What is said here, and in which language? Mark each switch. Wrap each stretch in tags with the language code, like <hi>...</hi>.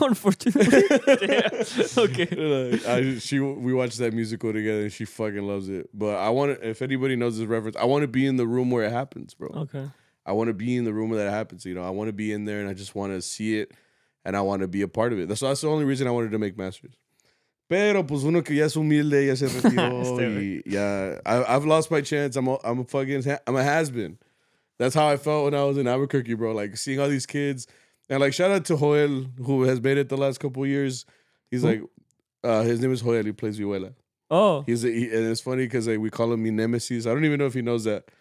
<en>Unfortunately, okay. We watched that musical together, and she fucking loves it. But I want—if anybody knows this reference—I want to be in the room where it happens, bro. Okay. I want to be in the room where that happens. You know, I want to be in there, and I just want to see it, and I want to be a part of it. That's the only reason I wanted to make masters.</en> <es>Pero pues uno que ya es humilde ya se retiró.</es> <en>Yeah, I've lost my chance. I'm a has-been. That's how I felt when I was in Albuquerque, bro. Like, seeing all these kids. And, like, shout out to Joel, who has made it the last couple of years. He's like, his name is Hoyal. He plays vihuela. Oh. And it's funny because like, we call him Mi Nemesis. I don't even know if he knows that.</en>